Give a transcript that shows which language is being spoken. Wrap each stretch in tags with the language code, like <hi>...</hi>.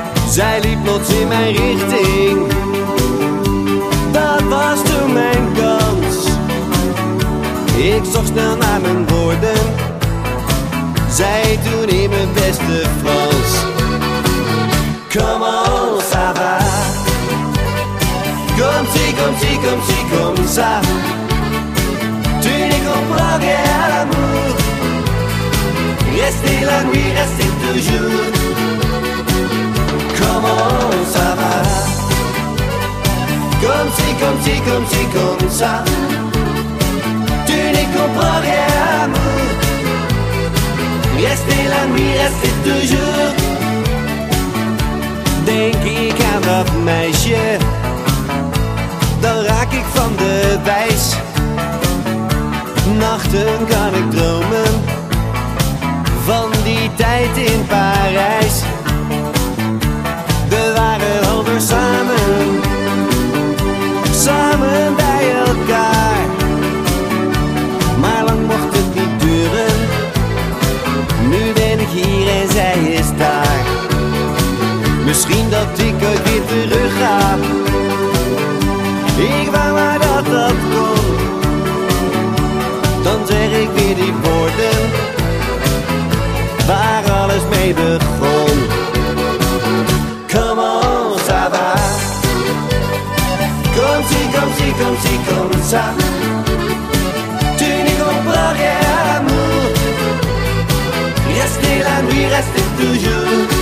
<nl>Zij liep plots in mijn richting. Dat was toen mijn kans. Ik zag snel naar mijn woorden. Zij doen in mijn beste Frans.</nl> <en>Come on,</en> <fr>ça va. Comme si, comme si, comme si, comme ça. Tu n'y comprends rien à l'amour. Restez la nuit, restez toujours.</fr> <en>Come on,</en> <fr>ça va. Comme si, comme si, comme si, comme ça. Tu n'y comprends rien à l'amour. Restez la nuit, restez toujours.</fr> <nl>Denk ik aan dat meisje, dan raak ik van de wijs. Nachten kan ik dromen van die tijd in Parijs. We waren altijd samen, samen bij elkaar. Maar lang mocht het niet duren, nu ben ik hier en zij is daar. Misschien dat ik ooit weer terug ga. Ik wou maar dat dat kon. Dan zeg ik weer die woorden waar alles mee begon.</nl> <en>Come on,</en> <fr>ça va. Comme si, comme si, comme si, comme ça. Tu n'y comprends rien à l'amour. Restez la nuit, restez toujours.</fr>